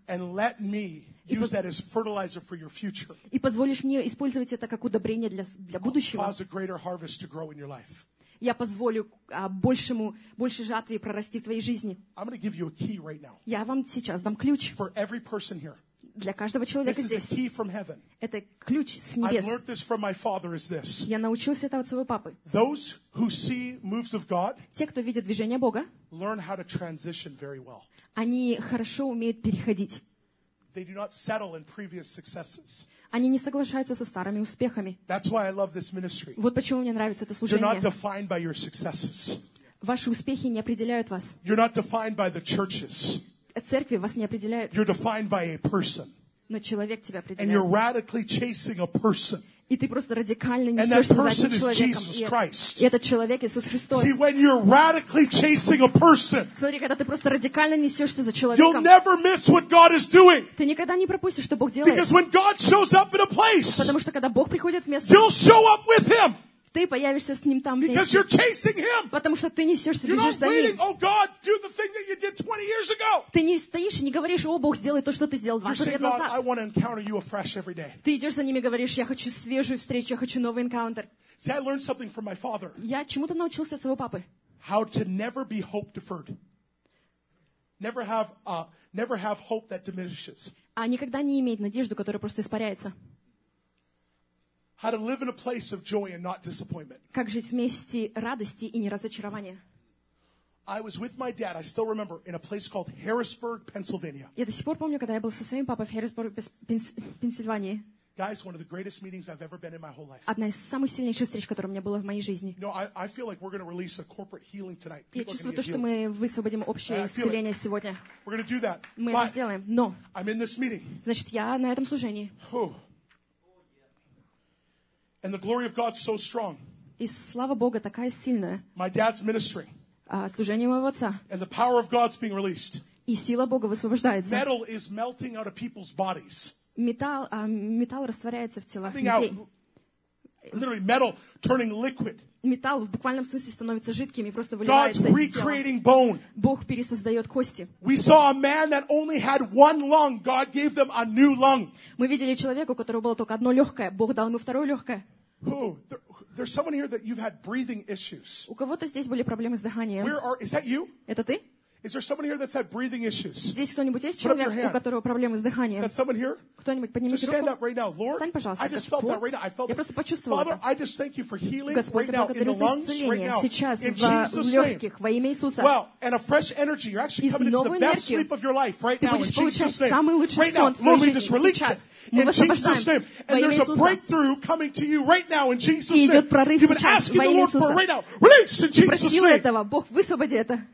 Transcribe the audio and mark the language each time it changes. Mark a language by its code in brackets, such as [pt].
[en] and let me use that as fertilizer for your future. [ru] И позволишь мне использовать это как удобрение для будущего. [en] Cause a greater harvest to grow in your life. [ru] Я позволю большему, большей жатве прорасти в твоей жизни. [en] I'm going to give you a key right now. [ru] Я вам сейчас дам ключ. [en] For every person here. [ru] Для каждого человека здесь. [en] This is a key from heaven. [ru] Это ключ с небес. [en] I've learned this from my father is this. [ru] Я научился это от своего папы. [en] Those who see moves of God. [ru] Те, кто видит движение Бога. [en] Learn how to transition very well. [ru] Они хорошо умеют переходить. [en] They do not settle in previous successes. [ru] Они не соглашаются со старыми успехами. [en] That's why I love this ministry. [ru] Вот почему мне нравится это служение. [en] You're not defined by your successes. [ru] Ваши успехи не определяют вас. [en] You're not defined by the churches. [ru] Церкви вас не определяют. [en] You're defined by a person. [ru] Но человек тебя определяет. [en] And you're radically chasing a person. [ru] И ты просто радикально несешься за этим человеком. И этот человек Иисус Христос. [en] See, when you're radically chasing a person, [ru] смотри, когда ты просто радикально несешься за человеком, [en] you'll never miss what God is doing. [ru] Ты никогда не пропустишь, что Бог делает. [en] Because when God shows up in a place, [ru] потому что когда Бог приходит в место, [en] you'll show up with him. [ru] Ты появишься с ним там вместе. [en] Because you're chasing him. [ru] Потому что ты несешься, бежишь за ним. [en] Oh God, do the thing that you did 20 years ago. [ru] Ты не стоишь и не говоришь, о, Бог, сделай то, что ты сделал 20 лет назад. [en] I want to encounter you afresh every day. [ru] Ты идешь за ними и говоришь, я хочу свежую встречу, я хочу новый encounter. [en] See, I learned something from my father. [ru] Я чему-то научился от своего папы. [en] How to never be hope deferred. Never have hope that diminishes. [ru] А никогда не иметь надежду, которая просто испаряется. [en] How to live in a place of joy and not disappointment. [ru] Как жить вместе радости и не разочарования? [en] I was with my dad. I still remember in a place called Harrisburg, Pennsylvania. [ru] Я до сих пор помню, когда я был со своим папой в Харрисбурге, Пенсильвания. [en] Guys, one of the greatest meetings I've ever been in my whole life. [ru] Одна из самых сильнейших встреч, которая у меня была в моей жизни. [en] No, I feel like we're going to release a corporate healing tonight. [ru] Я чувствую то, что мы высвободим общее исцеление сегодня. [en] We're going to do that. [ru] Мы это сделаем. Но. [en] I'm in this meeting. [ru] Значит, я на этом служении. [en] And the glory of God is so strong. [ru] И слава Бога такая сильная. [en] My dad's ministry. [ru] Служение моего отца. [en] And the power of God's being released. [ru] И сила Бога высвобождается. [en] Metal is melting out of people's bodies. [ru] Металл растворяется в телах людей. [en] Literally, metal turning liquid. [ru] Металл в буквальном смысле становится жидким и просто выливается из тела. [en] God's recreating bone. [ru] Бог пересоздает кости. [en] We saw a man that only had one lung. God gave them a new lung. [ru] Мы видели человека, у которого было только одно легкое. Бог дал ему второе легкое. [en] Who? There's someone here that you've had breathing issues. [ru] У кого-то здесь были проблемы с дыханием. [en] Is that you? [ru] Это ты? [en] Is there someone here that's had breathing issues? [ru] Здесь кто-нибудь есть человек, у которого проблемы с дыханием? [en] Is that someone here? [ru] Кто-нибудь поднимите руку. [en] Just stand up right now, Lord. [ru] Встань, пожалуйста. [en] I just felt that right now. I felt it. [ru] Я просто почувствовал [en] Father, [ru] это. [en] Father, I just thank you for healing right now in the lungs, [ru] исцеление. [en] Right now. [ru] Сейчас [en] in Jesus' name. [ru] В легких, во имя Иисуса. [en] Well, and a fresh energy. You're actually coming into the best sleep of your life right now in Jesus' name. Right now, Lord, we just release it in Jesus' name. And there's a breakthrough coming to you right now in Jesus' name. [ru] Идет прорыв сейчас во имя Иисуса. [en] Right now, release in Jesus' name. [ru] Просил этого, Бог, высвободи это.